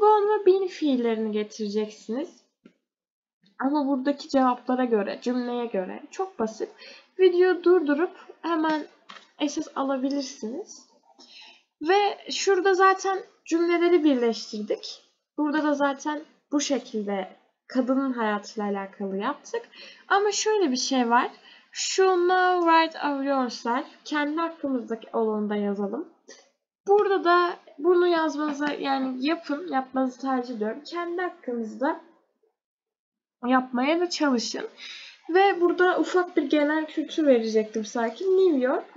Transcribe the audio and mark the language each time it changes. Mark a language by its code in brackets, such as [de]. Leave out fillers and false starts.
[tr] Gone ve been fiillerini getireceksiniz. Ama buradaki cevaplara göre, cümleye göre çok basit. Videoyu durdurup hemen esas alabilirsiniz. Ve şurada zaten cümleleri birleştirdik. Burada da zaten bu şekilde kadının hayatıyla alakalı yaptık. Ama şöyle bir şey var. [en] Şu now write of yourself. [tr] Kendi hakkımızdaki olanı da yazalım. Burada da bunu yazmanızı yani yapın. Yapmanızı tercih ediyorum. Kendi hakkınızda yapmaya da çalışın. Ve burada ufak bir genel kültür verecektim sanki. New York.